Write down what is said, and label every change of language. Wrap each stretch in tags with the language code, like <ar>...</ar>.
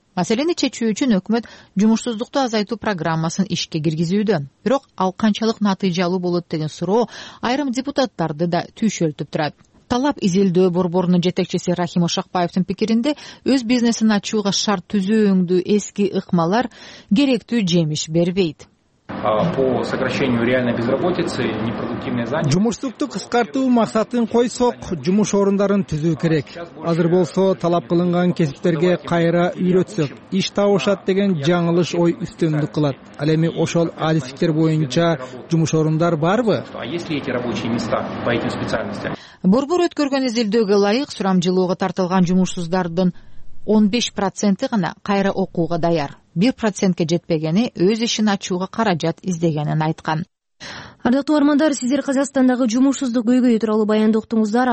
<ky>Маселени чечүү үчүн өкмөт жумушсуздукту азайтуу программасын ишке киргизүүдө. Бирок ал канчалык натыйжалуу болот деген суроо айрым депутаттарды да түйшөлтүп турат. Талап изилдөө борборунун жетекчиси Рахим Ошакбаевдин пикиринде өз бизнесин ачууга шарт түзүүңдү эски ыкмалар керектүү жемиш бербейт.</ky> <ru>по сокращению реальной безработицы, непродуктивной занятости.</ru> <ky>Жумуштукту кыскартуу максатын койсок, жумуш орундарын түзүү керек. Азыр болсо талап кылынган кесиптерге кайра үйрөтсөк, иш табышат деген жаңылыш ой үстөмдүк кылат. Ал эми ошол адистиктер боюнча жумуш орундар барбы?</ky> <ru>А есть ли эти рабочие места по этим специальностям?</ru> <ky>Борбор өткөргөн изилдөөгө ылайык сурамжылоого тартылган жумушсуздардын 15% гана кайра окууга даяр. 1%ке жетпегени өз ишин ачууга каражат издегенин айткан. Ардактуу армандар, сиздер Казакстандагы жумушсуздук көйгөйү тууралуу баяндоктуңуздар.</ky>